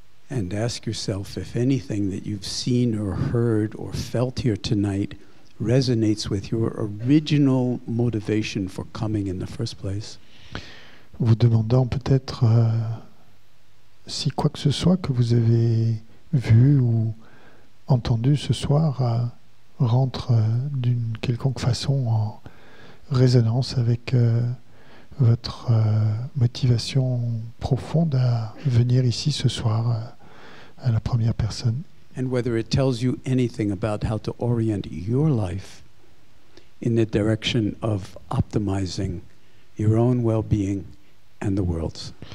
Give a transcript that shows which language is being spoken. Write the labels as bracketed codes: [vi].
[en] And ask yourself if anything that you've seen or heard or felt here tonight resonates with your original motivation for coming in the first place. [fr] Vous demandant peut-être si quoi que ce soit que vous avez vu ou entendu ce soir rentre d'une quelconque façon en résonance avec votre motivation profonde à venir ici ce soir. À la première personne. [en] And whether it tells you anything about how to orient your life in the direction of optimizing your own well-being and the world's.